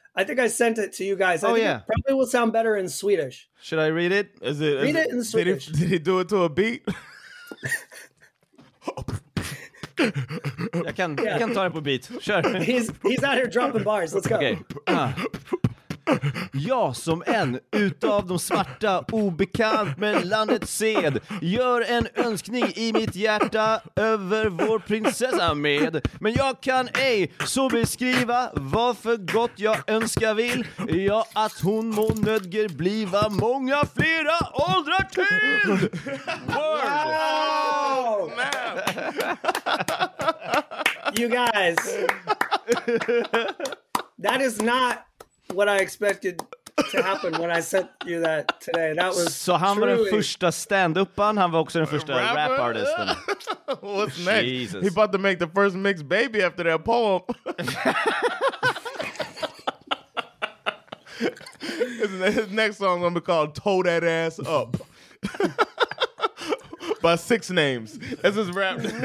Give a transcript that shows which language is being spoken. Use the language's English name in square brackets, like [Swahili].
[English] I think I sent it to you guys. Oh, I think yeah. It probably will sound better in Swedish. Should I read it? Is it read is it in Swedish. Did he do it to a beat? I can yeah. I can type a beat. Sure. He's out here dropping bars. Let's go. Okay. [Swedish] Jag som en utav de svarta obekant med landet sed gör en önskning i mitt hjärta över vår prinsessa med. Men jag kan ej så beskriva vad för gott jag önskar vill. Ja, att hon må nödger bliva många flera åldrar till. [English] Wow! Wow! Man. You guys, that is not what I expected to happen when I sent you that today. That was [Swedish] so han [English] truly... [Swedish] var den första stand-upan, han var också den första rap artisten. [English] What's next? Jesus. He about to make the first mix baby after that poem. His next song gonna be called Toe That Ass Up. By Six Names. This is rap.